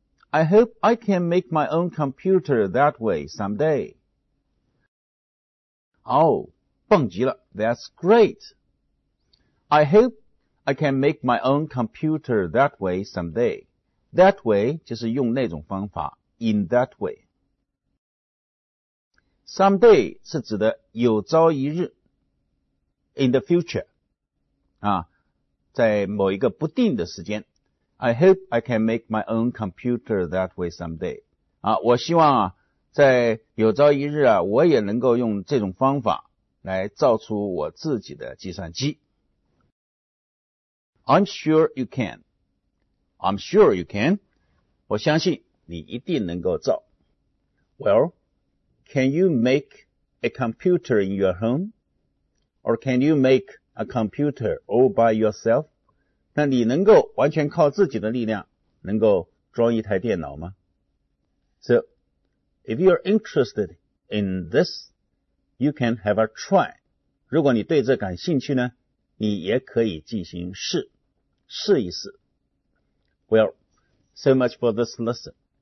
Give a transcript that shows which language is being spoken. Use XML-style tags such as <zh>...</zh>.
<en>I hope I can make my own computer that way someday.</en> <zh>Oh, 蹦极了。</zh> <en>That's great. I hope I can make my own computer that way someday. That way</en> <zh>就是用那种方法</zh> <en>,in that way. Someday</en> <zh>是指的有朝一日</zh> <en>,in the future.</en> <zh>啊，在某一个不定的时间</zh> <en>，I hope I can make my own computer that way someday。</en> <zh>啊，我希望啊，在有朝一日啊，我也能够用这种方法来造出我自己的计算机。</zh> <en>I'm sure you can. I'm sure you can.</en> <zh>我相信你一定能够造。</zh> <en>Well, can you make a computer in your home, or can you make? A computer all by yourself?</en> <zh>那你能够完全靠自己的力量能够装一台电脑吗？</zh> <en>So, if you're interested in this, you can have a try.</en> <zh>如果你对这感兴趣呢，你也可以进行试一试。</zh> <en>Well, so much for this lesson.</en>